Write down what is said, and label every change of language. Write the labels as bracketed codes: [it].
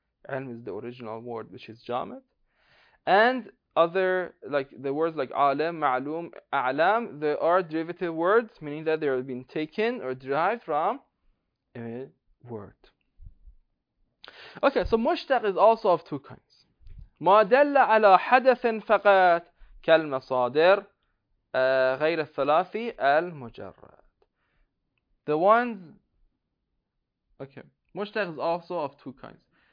[en] Ilm is the original word, which is jamid. And other, like the words like alam, ma'lum, a'lam, they are derivative words, meaning that they have been taken or derived from a word. Okay, so mushtaq is also of two kinds. [ar] ما دل على حدث فقط كالمصادر غير الثلاثي المجرد. [en] The ones, okay, mushtaq is also of two kinds.